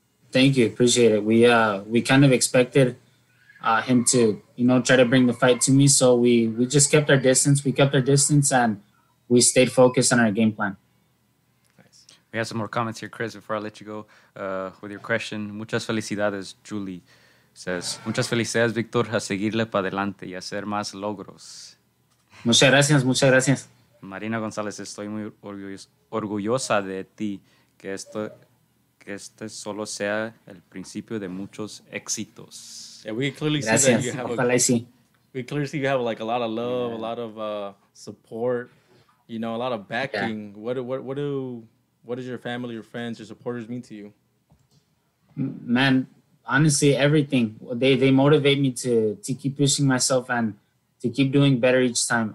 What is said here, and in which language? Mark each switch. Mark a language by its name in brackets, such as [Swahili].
[English] Thank you. Appreciate it. We kind of expected him to, try to bring the fight to me. So we just kept our distance. We kept our distance and we stayed focused on our game plan. Nice. We have some more comments here, Chris, before I let you go with your question. [Spanish] Muchas felicidades, Julie says. Muchas felicidades, Victor, a seguirle para adelante y hacer más logros. Muchas gracias. Muchas gracias. Marina González, estoy muy orgullosa de ti, que este solo sea el principio de muchos éxitos. [English] Yeah, we clearly see that you have like a lot of love, a lot of support, a lot of backing. Yeah. What does your family, your friends, your supporters mean to you? Man, honestly, everything. They motivate me to keep pushing myself and to keep doing better each time.